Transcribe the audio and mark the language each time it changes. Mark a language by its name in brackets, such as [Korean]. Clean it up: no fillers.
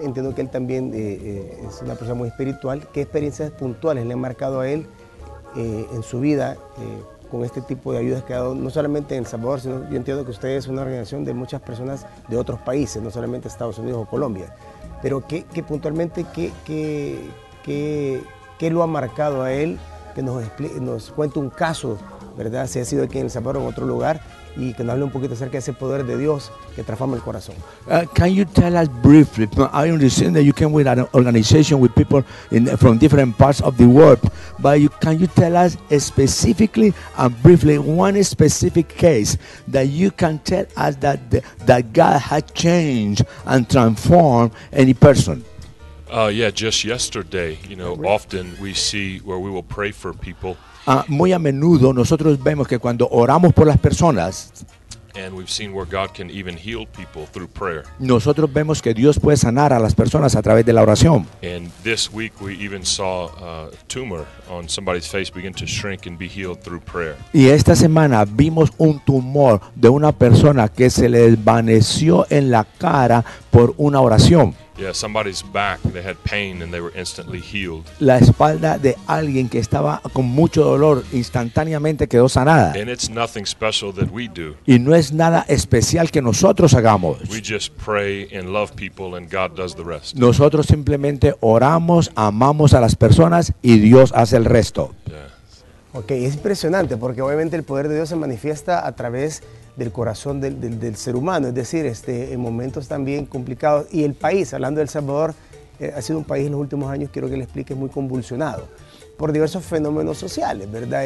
[Spanish] Entiendo que él también es una persona muy espiritual. ¿Qué experiencias puntuales le han marcado a él en su vida con este tipo de ayudas que ha dado, no solamente en El Salvador, sino yo entiendo que usted es una organización de muchas personas de otros países, no solamente Estados Unidos o Colombia, pero que puntualmente, ¿qué lo ha marcado a él? Que nos cuente un caso, ¿verdad? Si ha sido aquí en El Salvador o en otro lugar, y que nos hable un poquito acerca de ese poder de Dios que transforma el corazón. [English] Can you tell us briefly? I understand that you came with an organization with people from different parts of the world, but can you tell us specifically and briefly one specific case that you can tell us that God has changed and transformed any person? Just yesterday, you know, often we see where we will pray for people. [Spanish] Muy a menudo nosotros vemos que cuando oramos por las personas, [English] and we've seen where God can even heal people through prayer. [Spanish] Nosotros vemos que Dios puede sanar a las personas a través de la oración. [English] And this week we even saw a tumor on somebody's face begin to shrink and be healed through prayer. [Spanish] Y esta semana vimos un tumor de una persona que se le desvaneció en la cara por una oración. [English] Yeah, somebody's back, they had pain and they were instantly healed. [Spanish] La espalda de alguien que estaba con mucho dolor instantáneamente quedó sanada. [English] And it's nothing special that we do. [Spanish] Y no es nada especial que nosotros hagamos. [English] We just pray and love people and God does the rest. [Spanish] Nosotros simplemente oramos, amamos a las personas y Dios hace el resto. Yeah. Okay, es impresionante porque obviamente el poder de Dios se manifiesta a través del corazón del ser humano, es decir, en momentos también complicados. Y el país, hablando de El Salvador, ha sido un país en los últimos años, quiero que le explique, muy convulsionado por diversos fenómenos sociales, ¿verdad?